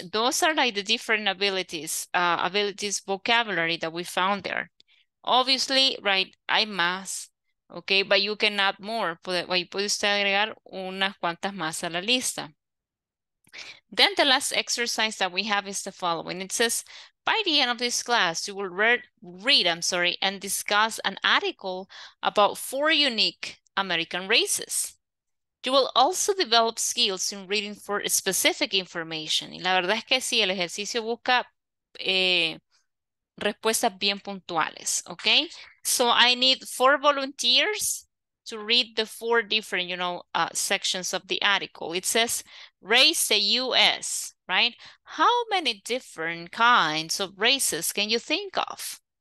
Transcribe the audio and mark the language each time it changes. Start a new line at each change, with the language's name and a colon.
English: Those are like the different abilities, abilities vocabulary that we found there. Obviously, right,
Spanish: hay más,
English: okay, but you can add more.
Spanish: Puede usted agregar unas cuantas más a la lista.
English: Then the last exercise that we have is the following. It says, by the end of this class, you will read, and discuss an article about four unique American races. You will also develop skills in reading for specific information.
Spanish: Y la verdad es que sí, el ejercicio busca respuestas bien puntuales, okay?
English: So I need four volunteers to read the four different, you know, sections of the article. It says, race the US, right? How many different kinds of races can you think of?